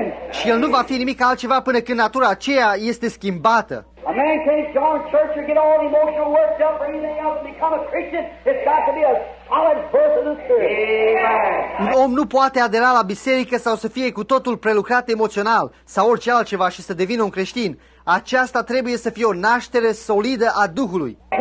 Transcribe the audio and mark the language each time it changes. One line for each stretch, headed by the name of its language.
Romanian: Și el nu va fi nimic altceva până când natura aceea este schimbată.
English: A man can't join church or get all emotional worked up or anything else and become a Christian. It's got to be a solid birth of the Spirit. Amen.
Romanian: Un om nu poate adera la biserică sau să fie cu totul prelucrat emoțional sau orice altceva și să devină un creștin. Aceasta trebuie să fie o naștere solidă a Duhului.